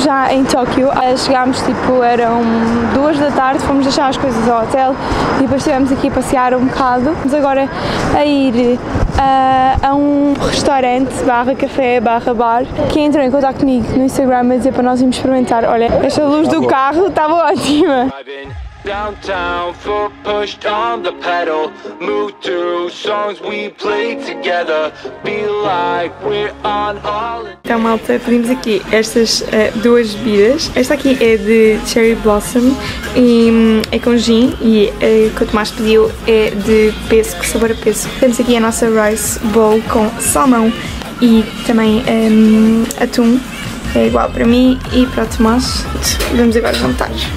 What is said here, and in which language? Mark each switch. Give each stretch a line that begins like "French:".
Portuguese: Em Tóquio, chegámos tipo, eram 2 da tarde, fomos deixar as coisas ao hotel e depois estivemos aqui a passear um bocado. Vamos agora a ir a um restaurante barra café barra bar, que entrou em contato comigo no Instagram a dizer para nós irmos experimentar. Olha, esta luz do carro estava ótima.
English: Downtown, foot pushed on the pedal, move to songs we play together, be like we're on all.
Portuguese: Então, malta, pedimos aqui estas duas bebidas. Esta aqui é de Cherry Blossom e é com gin, e o que o Tomás pediu é de pesco, sabor a pesco. Temos aqui a nossa rice bowl com salmão e também atum, é igual para mim e para o Tomás. Vamos agora jantar.